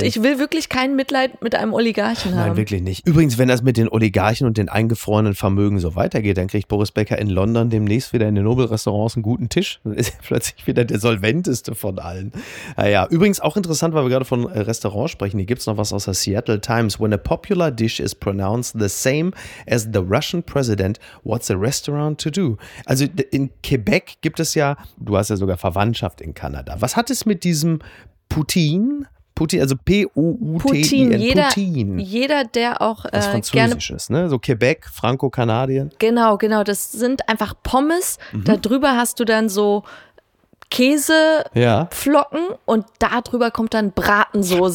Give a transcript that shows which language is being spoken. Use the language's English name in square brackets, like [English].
[German] Und ich will wirklich kein Mitleid mit einem Oligarchen Nein, haben. Nein, wirklich nicht. Übrigens, wenn das mit den Oligarchen und den eingefrorenen Vermögen so weitergeht, dann kriegt Boris Becker in London demnächst wieder in den Nobel-Restaurants einen guten Tisch. Dann ist er plötzlich wieder der solventeste von allen. Naja, übrigens auch interessant, weil wir gerade von Restaurants sprechen. Hier gibt es noch was aus der Seattle Times. [English] When a popular dish is pronounced the same as the Russian president, what's a restaurant to do? [German] Also in Quebec gibt es ja, du hast ja sogar Verwandtschaft in Kanada. Was hat es mit diesem Poutine, also P-O-U-T-I-N, Poutine. Jeder, der auch Französisch gerne ist, ne? So Quebec, Franco-Kanadien. Genau. Das sind einfach Pommes. Mhm. Darüber hast du dann so Käseflocken und darüber kommt dann Bratensoße.